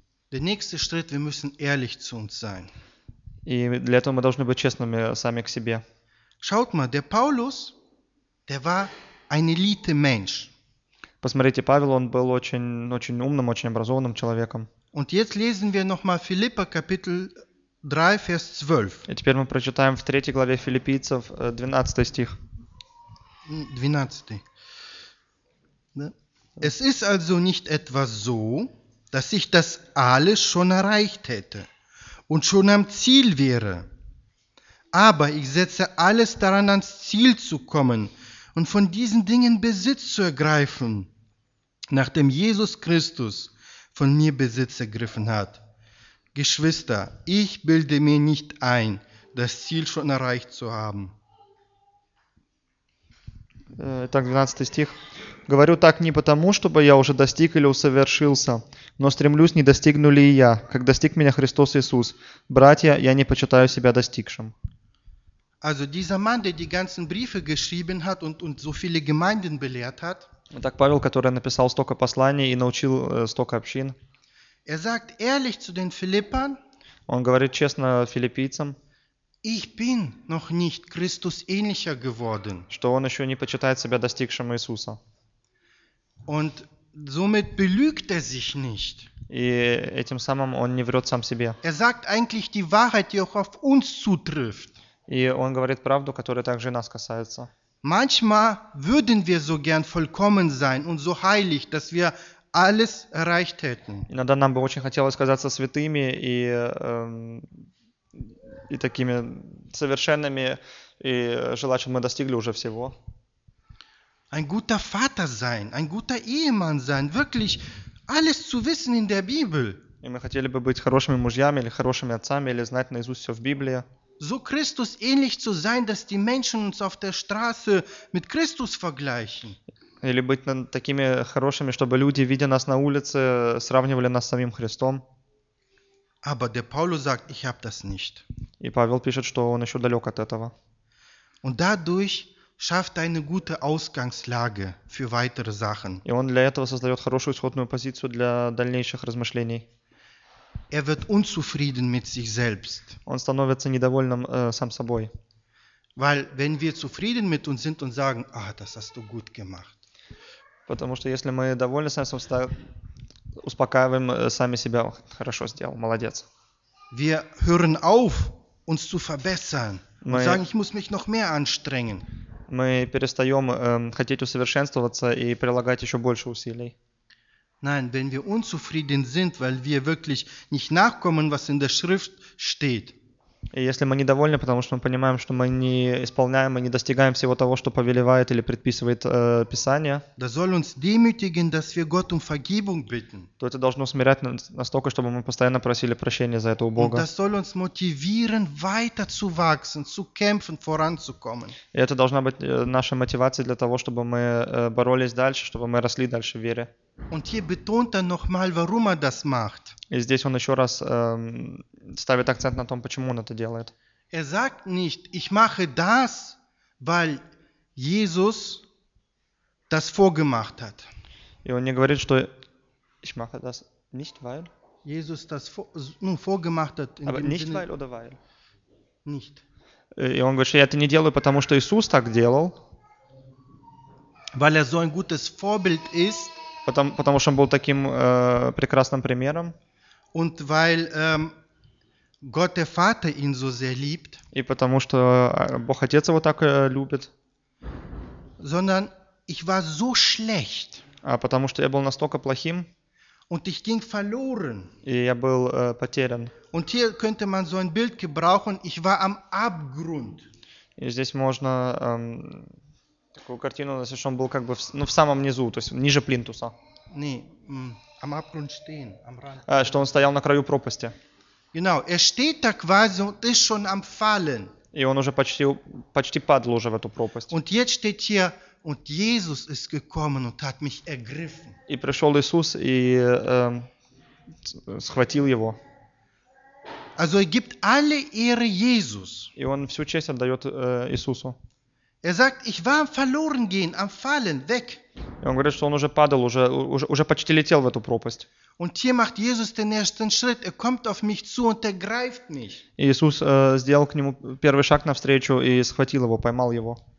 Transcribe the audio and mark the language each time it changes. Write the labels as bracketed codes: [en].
[de] Der nächste Schritt, wir müssen ehrlich zu uns sein. [ru] И для этого мы должны быть честными сами к себе. [de] Schaut mal, der Paulus, der war ein Elite-Mensch. [ru] Посмотрите, Павел, он был очень, очень умным, очень образованным человеком. [de] Und jetzt lesen wir nochmal Philipper Kapitel 3, Vers 12. [ru] И теперь мы прочитаем в 3 главе Филиппийцев 12 стих. 12. Да. [de] Es ist also nicht etwa so, dass ich das alles schon erreicht hätte und schon am Ziel wäre. Aber ich setze alles daran, ans Ziel zu kommen und von diesen Dingen Besitz zu ergreifen, nachdem Jesus Christus von mir Besitz ergriffen hat. Geschwister, ich bilde mir nicht ein, das Ziel schon erreicht zu haben. [ru] Итак, 12 стих. Говорю так не потому, чтобы я уже достиг или усовершился, но стремлюсь, не достигну ли я, как достиг меня Христос Иисус. Братья, я не почитаю себя достигшим. [de] Also dieser Mann, der die ganzen Briefe geschrieben hat und so viele Gemeinden belehrt hat. [ru] Итак, Павел, который написал столько посланий и научил столько общин. [de] Er sagt ehrlich zu den Philippern, [ru] он говорит честно филиппийцам, [de] ich bin noch nicht Christus ähnlicher geworden. [ru] Что он еще не почитает себя достигшим Иисуса. [de] Und somit belügt er sich nicht. [ru] И этим самым он не врет сам себе. [de] Er sagt eigentlich die Wahrheit, die auch auf uns zutrifft. [ru] И он говорит правду, которая также нас касается. [de] Manchmal würden wir so gern vollkommen sein und so heilig, dass wir alles erreicht hätten. [ru] Иногда нам бы очень хотелось казаться святыми и такими совершенными, и желать, чтобы мы достигли уже всего. [de] Ein guter Vater sein, ein guter Ehemann sein, wirklich alles zu wissen in der Bibel. [ru] И мы хотели бы быть хорошими мужьями или хорошими отцами или знать наизусть все в Библии. [de] So Christus ähnlich zu sein, dass die Menschen uns auf der Straße mit Christus vergleichen. [ru] Или быть такими хорошими, чтобы люди, видя нас на улице, сравнивали нас с самим Христом. [de] Aber der Paulus sagt, ich habe das nicht. [ru] И Павел пишет, что он еще далек от этого. [de] Und dadurch schafft eine gute Ausgangslage für weitere Sachen. [ru] И он для этого создает хорошую исходную позицию для дальнейших размышлений. [de] Er wird unzufrieden mit sich selbst. [ru] Он становится недовольным сам собой. [de] Weil wenn wir zufrieden mit uns sind und sagen, ah, das hast du gut gemacht. [ru] Потому что если мы довольны сами собой, успокаиваем сами себя, хорошо сделал, молодец. [de] Wir hören auf, uns zu verbessern und sagen, ich muss mich noch mehr anstrengen. [ru] Мы перестаем хотеть усовершенствоваться и прилагать еще больше усилий. [de] Nein, wenn wir unzufrieden sind, weil wir wirklich nicht nachkommen, was in der Schrift steht. [ru] Если мы недовольны, потому что мы понимаем, что мы не исполняем и не достигаем всего того, что повелевает или предписывает Писание, [de] das soll uns demütigen, dass wir Gott um Vergebung bitten. [ru] То это должно смирять настолько, чтобы мы постоянно просили прощения за это у Бога. [de] Und das soll uns motivieren, weiter zu wachsen, zu kämpfen, voranzukommen. [ru] И это должна быть наша мотивация для того, чтобы мы боролись дальше, чтобы мы росли дальше в вере. [de] Und hier betont er nochmal, warum er das macht. [ru] И здесь он еще раз ставит акцент на том, почему он это делает. [de] Er sagt nicht, ich mache das, weil Jesus das vorgemacht hat. [ru] И он не говорит, что [de] ich mache das nicht, weil Jesus das vorgemacht hat. In Aber dem nicht, Sinne, weil oder weil? Nicht. [ru] И он говорит, что я это не делаю, потому что Иисус так делал. [de] Weil er so ein gutes Vorbild ist. [ru] Потому что он был таким прекрасным примером. [de] Und weil Gott der Vater ihn so sehr liebt. [ru] И потому что Бог Отец его так любит. [de] Sondern ich war so schlecht. [ru] А потому что я был настолько плохим. [de] Und ich ging verloren. [ru] И я был потерян. [de] Und hier könnte man so ein Bild gebrauchen, ich war am Abgrund. [ru] И здесь можно такую картину, что он был как бы в самом низу, то есть ниже плинтуса. [de] Nee, am Abgrund stehen, am Rand. [ru] Что он стоял на краю пропасти. [de] Genau, steht da quasi und ist schon am Fallen. [ru] И он уже почти падал уже в эту пропасть. [de] Und jetzt steht hier, und Jesus ist gekommen und hat mich ergriffen. [ru] И пришел Иисус и схватил его. [de] Also er gibt alle Ehre Jesus. [ru] И он всю честь отдает Иисусу. [de] Er sagt, ich war am verloren gehen, am fallen, weg. [ru] И он говорит, что он уже падал, уже почти летел в эту пропасть. [de] Und hier macht Jesus den ersten Schritt. Er kommt auf mich zu und ergreift mich. [ru] Иисус сделал к нему первый шаг навстречу и схватил его, поймал его.